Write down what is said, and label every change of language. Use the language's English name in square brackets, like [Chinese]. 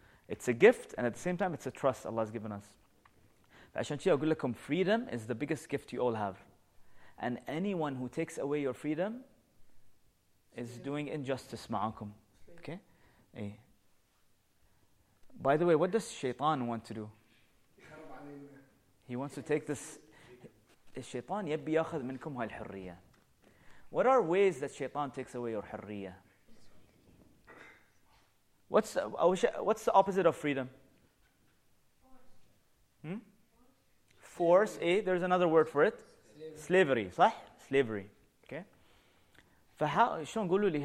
[English] It's a gift and at the same time it's a trust Allah has given us. [Arabic] فعشان شي أقول لكم [English] freedom is the biggest gift you all have. And anyone who takes away your freedom is doing injustice [Arabic] معاكم. [English] Okay? By the way, what does Shaitan want to do? He wants to take this. [Arabic] الشيطان يبي ياخذ منكم هالحرية. [English] What are ways that Shaitan takes away your حرية? What's the opposite of freedom? Force. There's another word for it. Slavery. [Arabic] صح? [English] Slavery. Okay. [Arabic] فهو شو نقوله لي?